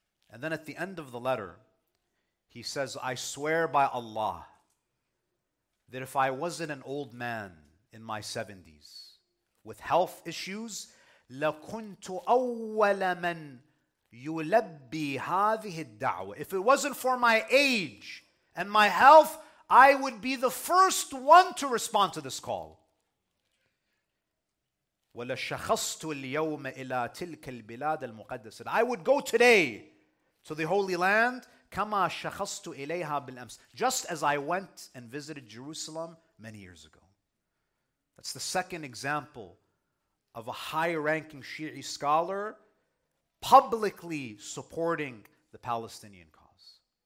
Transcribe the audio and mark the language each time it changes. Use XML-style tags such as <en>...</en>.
<en>And then at the end of the letter, he says, I swear by Allah that if I wasn't an old man in my 70s with health issues,</en> <ar>لَكُنْتُ أَوَّلَ مَنْ يُلَبِّي هَذِهِ الدَّعْوَةِ.</ar> <en>If it wasn't for my age and my health, I would be the first one to respond to this call.</en> <ar>ولشخصت اليوم إلى تلك البلاد المقدسة.</ar> <en>I would go today to the holy land</en> <ar>كما شخصت إليها بالأمس.</ar> <en>Just as I went and visited Jerusalem many years ago. That's the second example of a high-ranking Shi'i scholar publicly supporting the Palestinian cause.</en>